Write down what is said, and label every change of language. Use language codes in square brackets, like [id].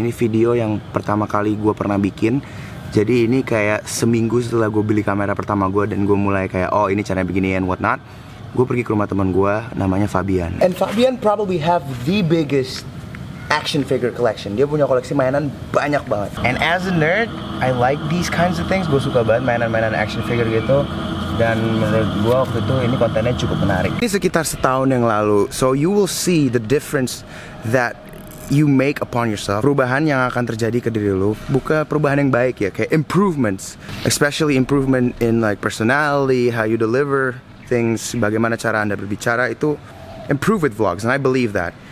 [id] Ini video yang pertama kali gue pernah bikin. Jadi ini kayak seminggu setelah gue beli kamera pertama gue dan gue mulai kayak oh ini caranya begini [en] and whatnot. [id] Gue pergi ke rumah teman gue, namanya Fabian. [en] And Fabian probably have the biggest action figure collection. [id] Dia punya koleksi mainan banyak banget. [en] And as a nerd, I like these kinds of things. [id] Gue suka banget mainan-mainan action figure gitu. Dan menurut gue waktu itu ini kontennya cukup menarik. Ini sekitar setahun yang lalu. [en] So you will see the difference that you make upon yourself. [id] Perubahan yang akan terjadi ke diri lu, bukan perubahan yang baik ya, kayak improvements. [en] Especially improvement in like personality, how you deliver things, [id] bagaimana cara Anda berbicara itu [en] improve with vlogs, and I believe that.